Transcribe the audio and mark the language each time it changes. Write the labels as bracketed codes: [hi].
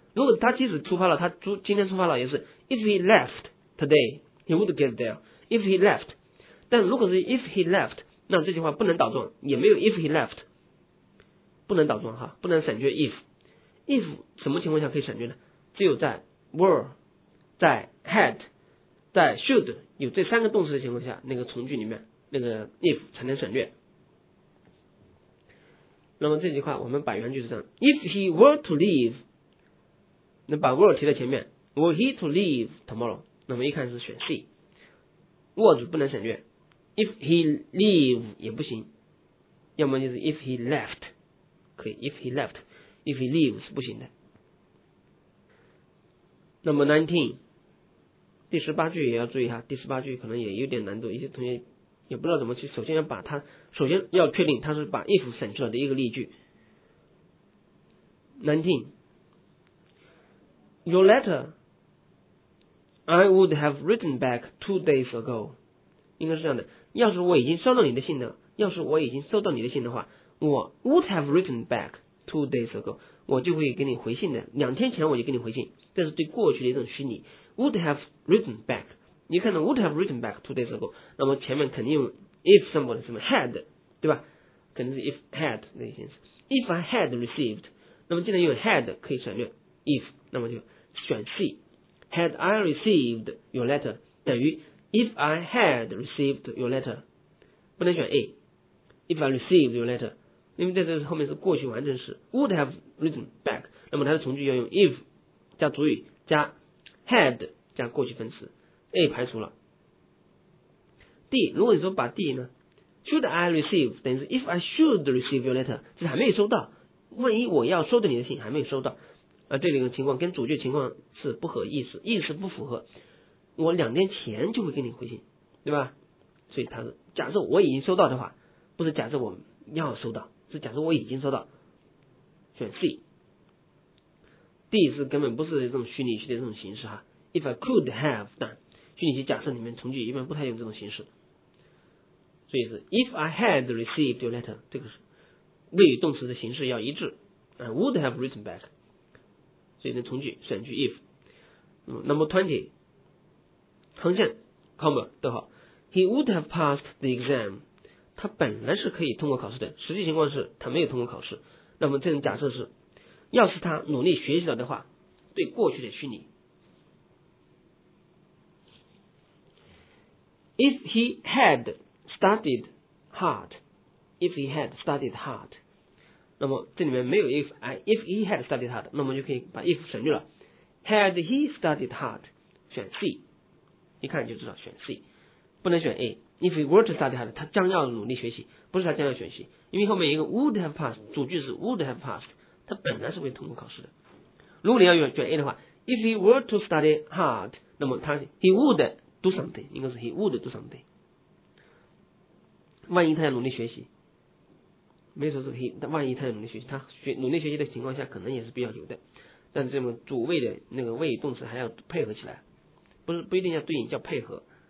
[zh] 如果他即使出发了，他今天出发了也是 ， [en] if he left today, he would get there. [zh] If he left, 但如果是 if he left, 那这句话不能倒装，也没有 if he left, 不能倒装哈，不能省略 if。 if 什么情况下可以省略呢？只有在 were, 在 had, 在 should。有这三个动词的情况下，那个从句里面那个 if 才能省略，那么这句话我们把原句是这样， [en] if he were to leave, [zh] 那把 will 提在前面， [en] will he to leave tomorrow， [zh] 那么一看是选 C， was 不能省略， if he leave 也不行，要么就是 if he left 可以， if he left， if he leave 是不行的。那么19第十八句也要注意哈，第十八句可能也有点难度，一些同学也不知道怎么去，首先要把它，首先要确定它是把 if 省出来的一个例句。 19 [en] Your letter I would have written back 2 days ago， [zh] 应该是这样的，要是我已经收到你的信的，要是我已经收到你的信的话，我 [en] would have written back 2 days ago， [zh] 我就会给你回信的，2天前我就给你回信，这是对过去的一种虚拟。 [en] Would have written back， [zh] 你看到 [en] would have written back 2 days ago， [zh] 那么前面肯定用 [en] if someone 什么 had， 对吧，肯定是 if had 那些意思。 [zh] if I had received， 那么既然用 had 可以省略 if， 那么就选 C， [en] had I received your letter [zh] 等于 [en] if I had received your letter， [zh] 不能选 A， if I received your letter， 因为这是后面是过去完成时， would have written back， 那么它的从句要用 if 加主语加had 加过去分词， A 排除了。 D， 如果你说把 D 呢， should I receive 等于是 [en] if I should receive your letter， [zh] 就是还没有收到，万一我要收的你的信还没有收到，这里的情况跟主句情况是不合意思，意思不符合，我2天前就会给你回信，对吧，所以他是假设我已经收到的话，不是假设我要收到，是假设我已经收到，选 C。 D 是根本不是这种虚拟句的这种形式哈， if I could have done， 虚拟句假设里面从句一般不太用这种形式，所以是 if I had received your letter， 这个是谓语动词的形式要一致， I would have written back， 所以呢从句选句 if。 Number 20 横线 comma 逗号， [en] he would have passed the exam， [zh] 他本来是可以通过考试的，实际情况是他没有通过考试，那么这种假设是要是他努力学习了的话，对过去的虚拟。 [en] If he had studied hard， if he had studied hard， [zh] 那么这里面没有 [en] if， if he had studied hard， [zh] 那么就可以把 [en] if 省略了， had he studied hard 选 C， [zh] 一看就知道选 [en] C， 不能选 A。 If he were to study hard， [zh] 他将要努力学习，不是他将要学习，因为后面一个 would have passed， 主句是 would have passed，他本来是会通过考试的。如果你要选 A 的话， if he were to study hard， 那么他 [en] he would do something， [zh] 应该是 he would do something， 万一他要努力学习，没说是 he， 万一他要努力学习，他学努力学习的情况下可能也是必要有的，但是这么主谓的那个谓语动词还要配合起来，不是不一定要对应叫配合，